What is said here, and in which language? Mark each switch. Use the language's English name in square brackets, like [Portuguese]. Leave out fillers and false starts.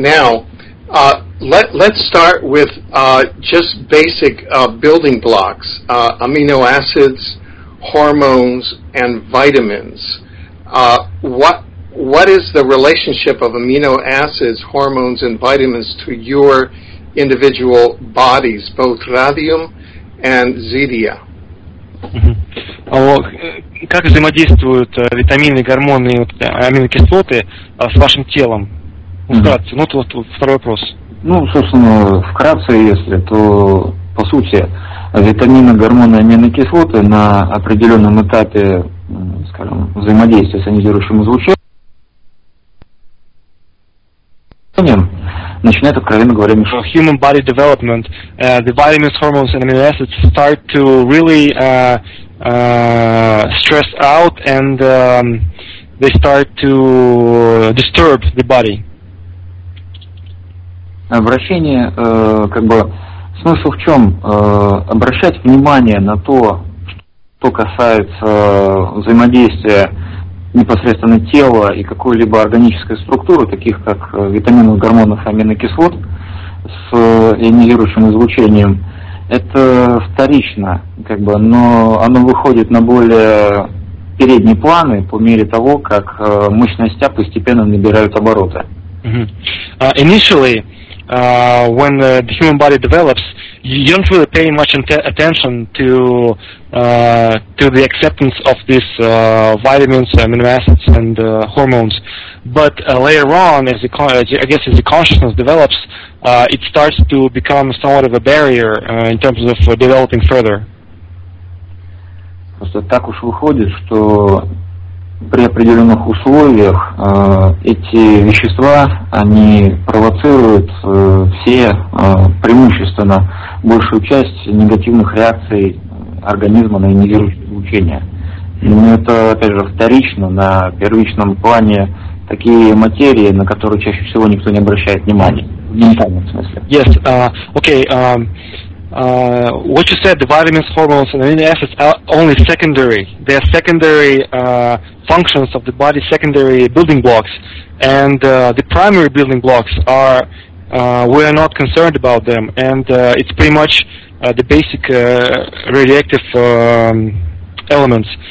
[English] Now, let's start with just basic building blocks, amino acids, hormones, and vitamins. What is the relationship of amino acids, hormones, and vitamins to your individual bodies, both radium and zidia? [Russian] А вот как взаимодействуют витамины, гормоны и аминокислоты с вашим телом? Вкратце. Ну, тут второй вопрос. Ну, собственно, вкратце, если, то, по сути, витамины, гормоны, аминокислоты на определенном этапе, скажем, взаимодействия с ионизирующим излучением, начинает, откровенно говоря, мешать. [English] For human body development, the vitamins, hormones, and amino acids start to really stress out, and they start to disturb the body. [Russian] Обращение, как бы, смысл в чем? Обращать внимание на то, что касается взаимодействия непосредственно тела и какой-либо органической структуры, таких как витаминов, гормонов и аминокислот с ионизирующим излучением, это вторично, как бы, но оно выходит на более передние планы по мере того, как мышечная постепенно набирает обороты. Mm-hmm. [English] Initially, when the human body develops, you don't really pay much attention to the acceptance of these vitamins, amino acids, and hormones. But later on, as the consciousness develops, it starts to become somewhat of a barrier in terms of developing further. [Russian] Просто так уж выходит, что при определенных условиях эти вещества, они провоцируют все преимущественно большую часть негативных реакций организма на ионизирующее излучение. Но это, опять же, вторично, на первичном плане такие материи, на которые чаще всего никто не обращает внимания, в ментальном смысле. [English] Yes, okay. What you said, the vitamins, hormones, and amino acids are only secondary. They are secondary functions of the body, secondary building blocks. And the primary building blocks are, we are not concerned about them. And it's pretty much the basic radioactive elements.